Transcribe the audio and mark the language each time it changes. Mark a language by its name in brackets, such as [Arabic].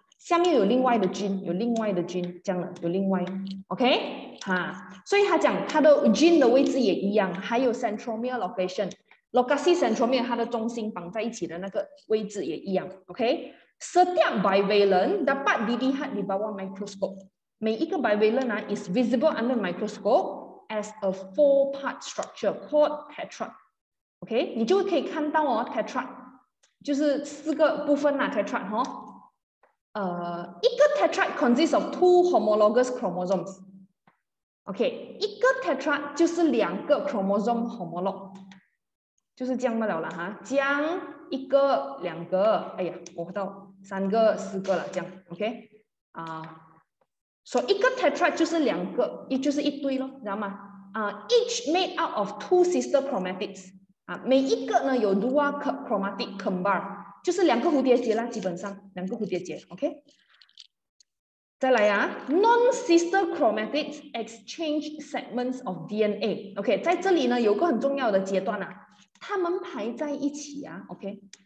[Chinese] 下面有另外的菌，有另外的菌，这样的有另外 ，OK， 哈，所以他讲他的菌的位置也一样，还有 centromere location， locasi centromere 它的中心绑在一起的那个位置也一样 ，OK， [Malay] setiap bivalent dapat dilihat di bawah microscope， [Chinese] 每一个 bivalent 啊 [English] is visible under microscope as a four part structure called tetrad， [Chinese] OK， 你就可以看到哦 ，tetrad 就是四个部分啊 ，tetrad 哈、哦。一个 [English] tetrad consists of two homologous chromosomes. [Chinese] Okay, 一个 tetrad 就是两个 chromosome homolog， 就是这样罢了啦哈。这样一个、两个，哎呀，我到三个、四个了，这样 okay 啊。所以一个 tetrad 就是两个，也就是一堆咯，知道吗？ [English] 啊、each made out of two sister chromatids. [Chinese] 啊，每一个呢有 dual chromatid combine。就是两个蝴蝶结啦，基本上两个蝴蝶结 ，OK。再来啊 [English] ，non-sister chromatids exchange segments of DNA，OK、okay?。 [Chinese] 在这里呢，有个很重要的阶段啊，它们排在一起啊 ，OK。